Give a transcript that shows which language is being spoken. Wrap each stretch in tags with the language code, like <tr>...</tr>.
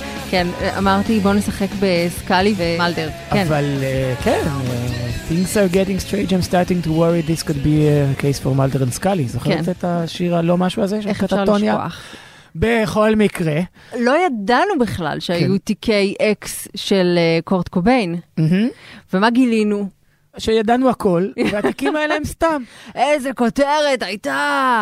<he>כן, אמרתי, בוא נשחק בסקאלי ומלדר. אבל, כן,</he> <en>things are getting strange, I'm starting to worry this could be a case for Mulder and Scully.</en> <he>זוכרת את השיר הלא משהו הזה? איך אפשר לשכוח? בכל מקרה. לא ידענו בכלל שהיו תיקי אקס של קורט קוביין. ומה גילינו? שידענו הכל, והתיקים האלה הם סתם. איזה כותרת הייתה!</he>